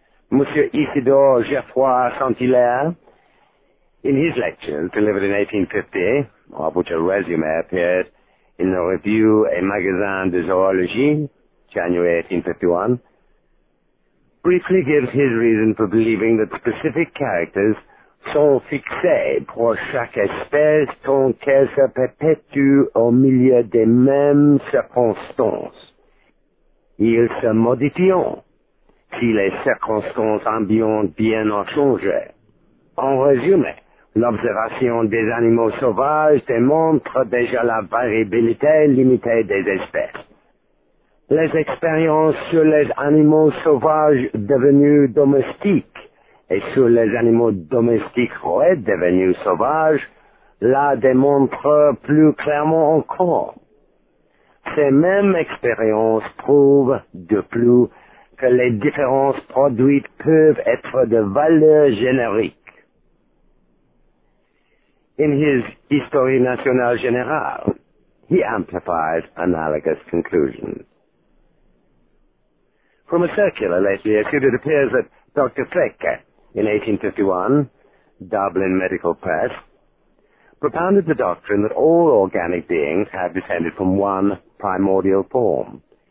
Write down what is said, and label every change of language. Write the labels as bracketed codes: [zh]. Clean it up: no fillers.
[en] Monsieur Isidore Geoffroy Saint-Hilaire, in his lectures delivered in 1850, of which a resume appeared in the Revue et Magazin de Zoologie, January 1851, briefly gives his reason for believing that specific characters [fr] sont fixés pour chaque espèce tant qu'elles se perpétuent au milieu des mêmes circonstances. Ils se modifient si les circonstances ambiantes bien ont changé. En résumé, l'observation des animaux sauvages démontre déjà la variabilité limitée des espèces. Les expériences sur les animaux sauvages devenus domestiques et sur les animaux domestiques redevenus sauvages la démontrent plus clairement encore. Ces mêmes expériences prouvent de plus que les différences produites peuvent être de valeur générique. [en] In his Histoire nationale générale, he amplifies analogous conclusions. From a circular lately issued, it appears that Dr. Fleck, in 1851, Dublin Medical Press, propounded the doctrine that all organic beings have descended from one primordial form.